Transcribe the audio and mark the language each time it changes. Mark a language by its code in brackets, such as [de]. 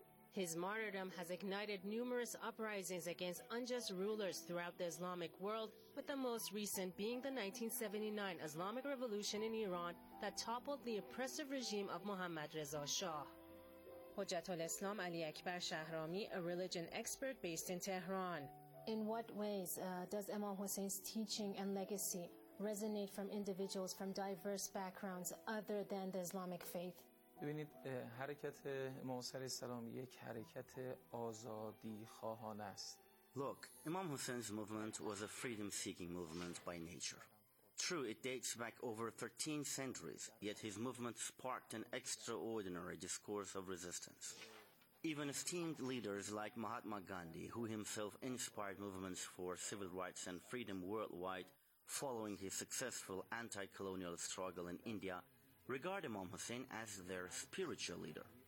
[en] His martyrdom has ignited numerous uprisings against unjust rulers throughout the Islamic world, with the most recent being the 1979 Islamic Revolution in Iran that toppled the oppressive regime of Mohammad Reza Shah. Hujjat al-Islam Ali Akbar Shahrami, a religion expert based in Tehran. In what ways does Imam Hussein's teaching and legacy resonate from individuals from diverse backgrounds other than the Islamic faith? [fa] ببینید حرکت امام حسین علیه السلام یک حرکت آزادی خواهانه است. [en] Look, Imam Hussein's movement was a freedom-seeking movement by nature. True, it dates back over 13 centuries, yet his movement sparked an extraordinary discourse of resistance. Even esteemed leaders like Mahatma Gandhi, who himself inspired movements for civil rights and freedom worldwide following his successful anti-colonial struggle in India, regard Imam Hussein as their spiritual leader.